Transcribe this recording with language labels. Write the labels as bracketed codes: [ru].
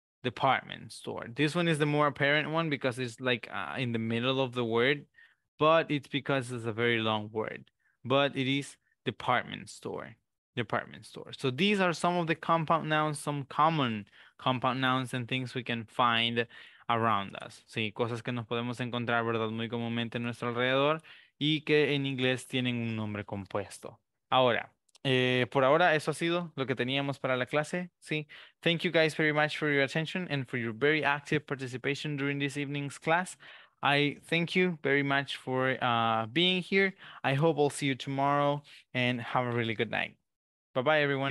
[en] department store. This one is the more apparent one because it's like in the middle of the word, but it's because it's a very long word. But it is department store. Department store. So these are some of the compound nouns, some common compound nouns and things we can find around us. [es] Sí, cosas que nos podemos encontrar, ¿verdad? Muy comúnmente en nuestro alrededor y que en inglés tienen un nombre compuesto. Ahora, por ahora, eso ha sido lo que teníamos para la clase. Sí. [en] Thank you guys very much for your attention and for your very active participation during this evening's class. I thank you very much for being here. I hope I'll see you tomorrow and have a really good night. Bye-bye, everyone.